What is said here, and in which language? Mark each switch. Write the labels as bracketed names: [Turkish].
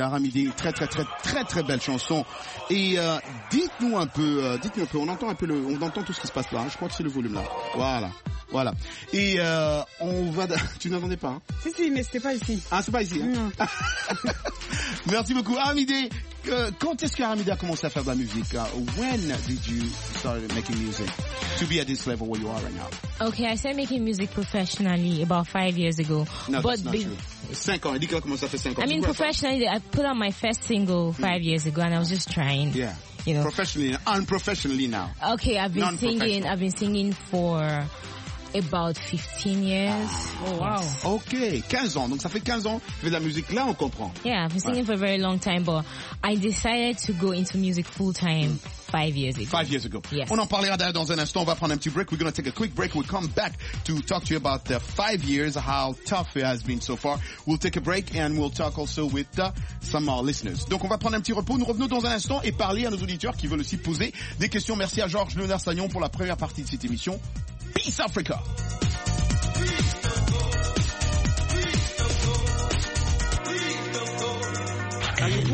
[French] Aramidé, très très très très très belle chanson. Et dites-nous un peu. On entend tout ce qui se passe là. Hein. Je crois que c'est le volume là. Voilà. Et on va. Tu n'entendais pas. Hein. Si, mais c'était pas ici. Ah, c'est pas ici. Hein. Merci beaucoup, Aramidé. Quand est-ce que Aramidé a commencé à faire de la musique? [English] When did you start making music to be at this level where you are right now? Okay, I started making music professionally about 5 years ago. No, but that's not true. [French] 5 ans. Dis-moi comment ça fait 5 ans. [English] I mean, professionally, I put out my first single 5 years ago, and I was just trying. Yeah. You know. Professionally, unprofessionally now. Okay, I've been singing for about 15 years. Oh, wow. [French] Okay, 15 ans. Donc ça fait 15 ans que tu fais de la musique. Là, on comprend. [English] Yeah, I've been singing for a very long time, but I decided to go into music full time. Five years ago. Yes. [French] On en parlera d'ailleurs dans un instant. On va prendre un petit break. [English] We're going to take a quick break. We'll come back to talk to you about the 5 years, how tough it has been so far. We'll take a break and we'll talk also with some of our listeners. [French] Donc, on va prendre un petit repos. Nous revenons dans un instant et parler à nos auditeurs qui veulent aussi poser des questions. Merci à Georges Léonard Sagnon pour la première partie de cette émission. [English] Peace Africa! Peace.